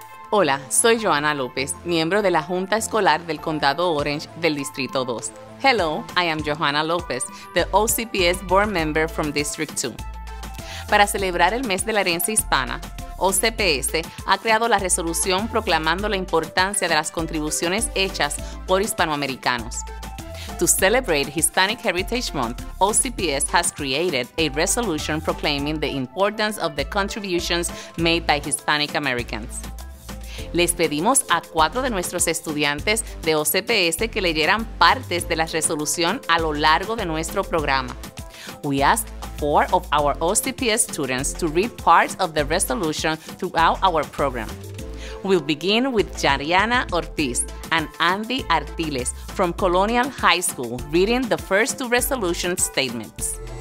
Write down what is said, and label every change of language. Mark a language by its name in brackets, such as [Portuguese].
[Spanish] Hola, soy Joana López, miembro de la Junta Escolar del Condado Orange del Distrito 2. [English] Hello, I am Joana López, the OCPS board member from District 2. [Spanish] Para celebrar el mes de la herencia hispana, OCPS ha creado la resolución proclamando la importancia de las contribuciones hechas por hispanoamericanos. [English] To celebrate Hispanic Heritage Month, OCPS has created a resolution proclaiming the importance of the contributions made by Hispanic Americans. [Spanish] Les pedimos a cuatro de nuestros estudiantes de OCPS que leyeran partes de la resolución a lo largo de nuestro programa. [English] We asked four of our OCPS students to read parts of the resolution throughout our program. We'll begin with Jariana Ortiz and Andy Artiles from Colonial High School reading the first two resolution statements.